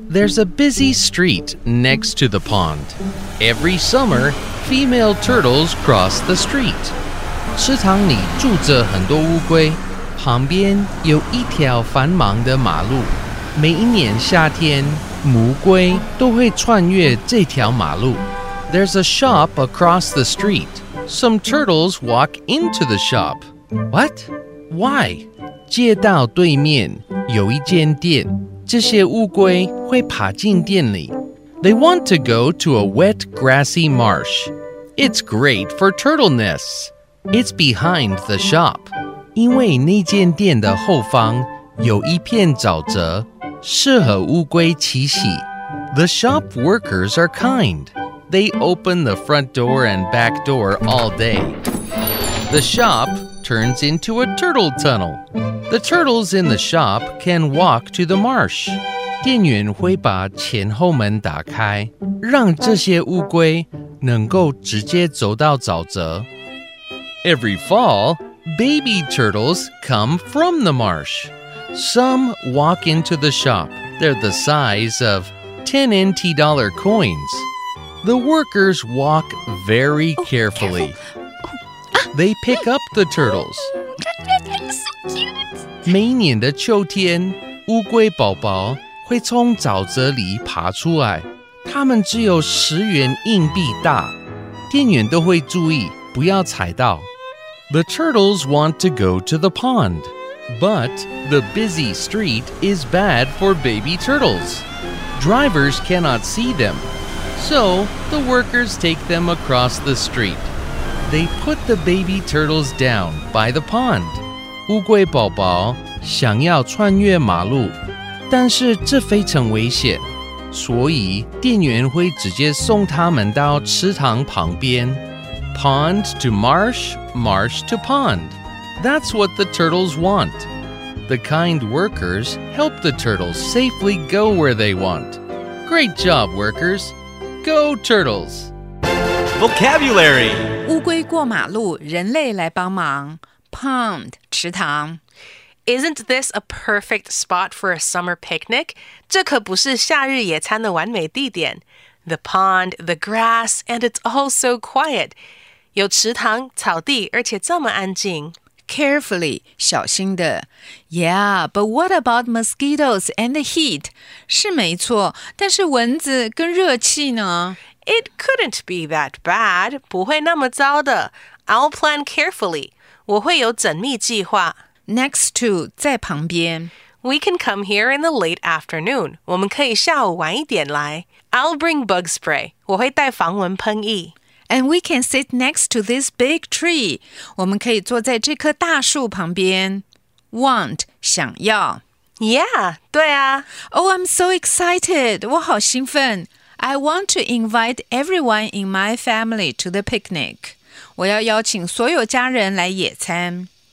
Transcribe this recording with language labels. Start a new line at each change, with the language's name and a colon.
English: There's a busy street next to the pond. Every summer, female turtles cross the street.
Chinese: 池塘里住着很多乌龟，旁边有一条繁忙的马路。每一年夏天，母龟都会穿越这条马路。
English: There's a shop across the street. Some turtles walk into the shop. What? Why?
Chinese: 街道对面有一间店，这些乌龟会爬进店里。
English: They want to go to a wet, grassy marsh. It's great for turtle nests. It's behind the shop.
Chinese: 因为那间店的后方有一片沼泽，适合乌龟栖息。
English: The shop workers are kind. They open the front door and back door all day. The shop turns into a turtle tunnel. The turtles in the shop can walk to the marsh.
Chinese: 店员会把前后门打开，让这些乌龟能够直接走到沼泽。
English: Every fall, baby turtles come from the marsh. Some walk into the shop. They're the size of 10 NT dollar coins. The workers walk very carefully. They pick up the turtles. So cute.
Chinese: 每年的秋天，乌龟宝宝会从沼泽里爬出来。它们只有十元硬币大。店员都会注意不要踩到。
English: The turtles want to go to the pond. But the busy street is bad for baby turtles. Drivers cannot see them. So the workers take them across the street. They put the baby turtles down by the pond.
Chinese: 乌龟宝宝想要穿越马路，但是这非常危险，所以店员会直接送他们到池塘旁边。
English: Pond to marsh, marsh to pond. That's what the turtles want. The kind workers help the turtles safely go where they want. Great job, workers. Go, turtles! Vocabulary!
Chinese: 乌龟过马路，人类来帮忙。Pond, 池塘。
English: Isn't this a perfect spot for a summer picnic?
Chinese: 这可不是夏日野餐的完美地点。
English: The pond, the grass, and it's all so quiet.
Chinese: 有池塘、草地，而且这么安静。
English: Carefully, 小心的。 Yeah, but what about mosquitoes and the heat?
Chinese: 是没错，但是蚊子跟热气呢？
English: It couldn't be that bad,
Chinese: 不会那么糟的。
English: I'll plan carefully,
Chinese: 我会有缜密计划。
English: Next to, 在旁边。 We can come here in the late afternoon,
Chinese: 我们可以下午晚一点来。
English: I'll bring bug spray,
Chinese: 我会带防蚊喷液。
English: And we can sit next to this big tree.
Chinese: 我们可以坐在这棵大树旁边。
English: Want, 想要。 Yeah, 对啊。 Oh, I'm so excited.
Chinese: 我好兴奋。
English: I want to invite everyone in my family to the picnic.
Chinese: 我要邀请所有家人来野餐。